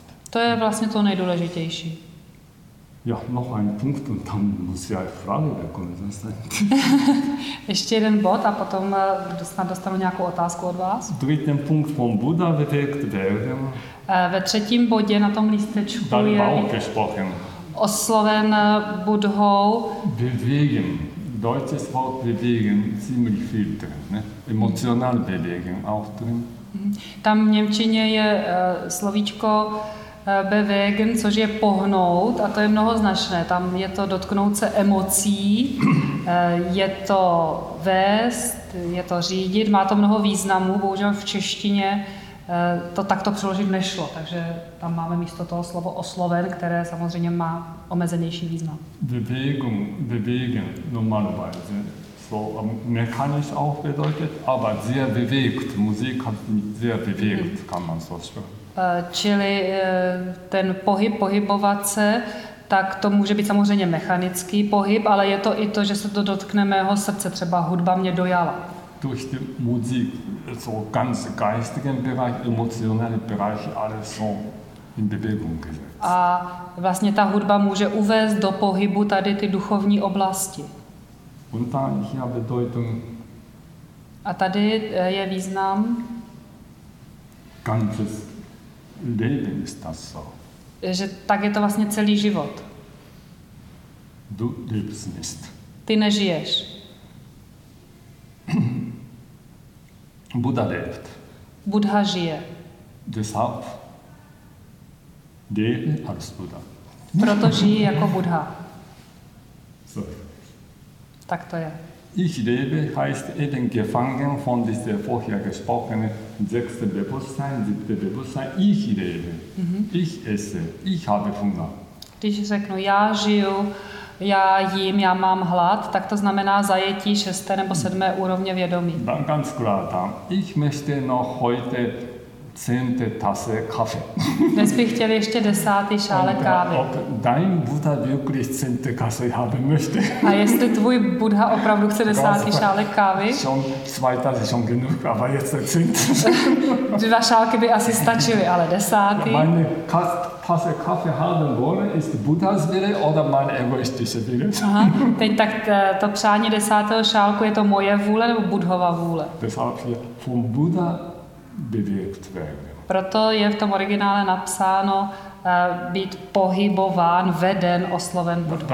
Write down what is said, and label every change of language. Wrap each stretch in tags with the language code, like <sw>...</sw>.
<cs>To je vlastně to nejdůležitější.</cs> <de>Ja, noch ein Punkt und dann muss ja eine Frage bekommen.</de> <cs>Ještě jeden bod a potom snad dostanu nějakou otázku od vás.</cs> <de>Dritten Punkt vom Buddha bewirkt werden.</de> <cs>Ve třetím bodě na tom lístečku je</cs> <de>gesprochen.</de> <cs>Osloven Budhou.</cs> <de>Bewegen. Deutsches Wort bewegen. Ziemlich viel drin. Ne? Emotional bewegen. Auch drin.</de> <cs>Tam v němčině je slovíčko bewegen, což je pohnout, a to je mnohoznačné. Tam je to dotknout se emocí, je to vést, je to řídit, má to mnoho významů, bohužel v češtině to takto přeložit nešlo, takže tam máme místo toho slovo osloven, které samozřejmě má omezenější význam.</cs> <de>Bewegung, bewegen, normalerweise. So, mechanisch auch bedeutet, aber sehr bewegt, Musik hat sehr bewegt, kann man so sagen.</de> <cs>Čili ten pohyb, pohybovat se, tak to může být samozřejmě mechanický pohyb, ale je to i to, že se to dotkne mého srdce, třeba hudba mě dojala.</cs> <de>Durch die Musik, so ganz geistigen Bereich, emotionalen Bereich, alles so in Bewegung gesetzt.</de> <cs>A vlastně ta hudba může uvést do pohybu tady ty duchovní oblasti.</cs> <de>Und da hier Bedeutung.</de> <cs>A tady je význam.</cs> <de>Ganzes Leben ist das so.</de> <cs>Že tak je to vlastně celý život.</cs> <de>Du lebst nicht.</de> <cs>Ty nežiješ.</cs> <de>Buddha lebt.</de> <cs>Buddha žije.</cs> <de>Deshalb lebe als Buddha.</de> <cs>Proto žije jako Buddha.</cs> <en>Sorry.</en> <cs>Tak to je.</cs> <de>Ich lebe heißt eben gefangen von dieser vorher gesprochenen sechste Bewusstsein, siebte Bewusstsein. Ich lebe. Mhm. Ich esse. Ich habe Hunger.</de> <cs>Když řeknu, já žiju, já jím, já mám hlad, tak to znamená zajetí šesté nebo sedmé úrovně vědomí.</cs> <de>Dann ganz klar, dann. Ich möchte noch heute zehnte Tasse Kaffee.</de> <cs>Dnes bych chtěl ještě desátý šálek kávy.</cs> <de>Dein Buddha wirklich zehnte Tasse haben möchte.</de> <cs>A jestli tvůj Buddha opravdu chce desátý šálek kávy?</cs> <de>Schon zwei Tasse schon genug, aber jetzt der zehnte.</de> <cs>Dva šálky by asi stačily, ale desátý.</cs> <de>Meine Tasse Kaffee haben wollen ist Buddhas Wille oder mein egoistischer Wille.</de> <cs>Teď tak to přání desátého šálku, je to moje vůle nebo Buddhova vůle?</cs> <de>Deshalb hier vom Buddha bewirkt werden.</de> <cs>Proto je v tom originále napsáno být pohybován, veden, osloven</cs>